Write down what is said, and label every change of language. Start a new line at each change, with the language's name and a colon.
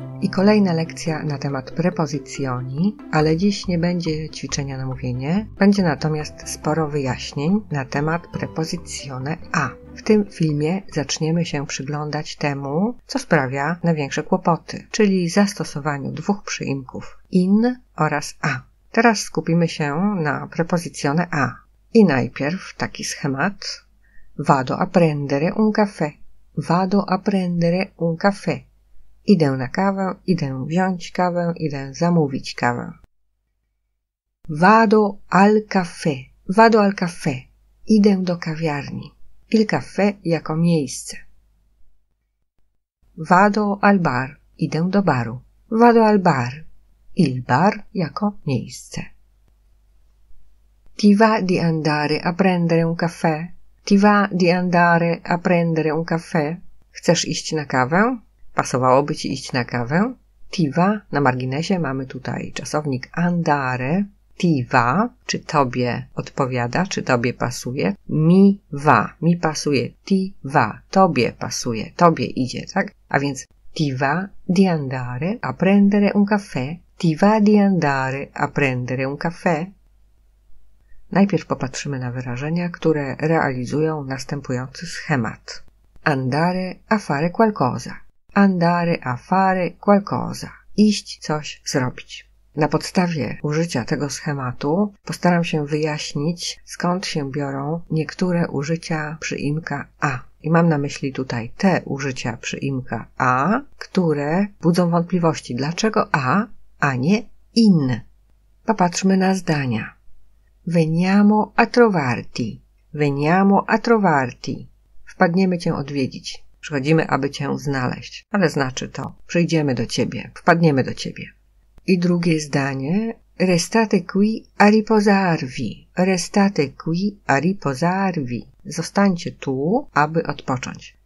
Polish: I kolejna lekcja na temat prepozycjoni, ale dziś nie będzie ćwiczenia na mówienie, będzie natomiast sporo wyjaśnień na temat prepozycjone a. W tym filmie zaczniemy się przyglądać temu, co sprawia największe kłopoty, czyli zastosowaniu dwóch przyimków in oraz a. Teraz skupimy się na prepozycjone a. I najpierw taki schemat.
Italian: Vado a prendere un caffè. Vado a prendere un caffè.
Polish: Idę na kawę, idę wziąć kawę, idę zamówić kawę.
Italian: Vado al caffè. Vado al caffè.
Polish: Idę do kawiarni.
Italian: Il caffè
Polish: jako miejsce.
Italian: Vado al bar.
Polish: Idę do baru.
Italian: Vado al bar.
Polish: Il bar jako miejsce.
Italian: Ti va di andare a prendere un caffè? Ti va di andare a prendere un caffè?
Polish: Chcesz iść na kawę? Pasowałoby ci iść na kawę?
Italian: Ti va,
Polish: na marginesie mamy tutaj czasownik andare.
Italian: Ti va,
Polish: czy tobie odpowiada, czy tobie pasuje?
Italian: Mi va, mi
Polish: pasuje.
Italian: Ti va,
Polish: tobie pasuje, tobie idzie, tak? A więc
Italian: ti va di andare a prendere un caffè. Ti va di andare a prendere un caffè.
Polish: Najpierw popatrzymy na wyrażenia, które realizują następujący schemat.
Italian: Andare a fare qualcosa. Andare a fare qualcosa.
Polish: Iść coś zrobić. Na podstawie użycia tego schematu postaram się wyjaśnić, skąd się biorą niektóre użycia przyimka a. I mam na myśli tutaj te użycia przyimka a, które budzą wątpliwości. Dlaczego a nie in? Popatrzmy na zdania.
Italian: Veniamo a trovarti. Veniamo a trovarti.
Polish: Wpadniemy cię odwiedzić. Przychodzimy, aby cię znaleźć. Ale znaczy to, przyjdziemy do ciebie. Wpadniemy do ciebie. I drugie zdanie.
Italian: Restate qui a riposarvi. Restate qui a riposarvi.
Polish: Zostańcie tu, aby odpocząć.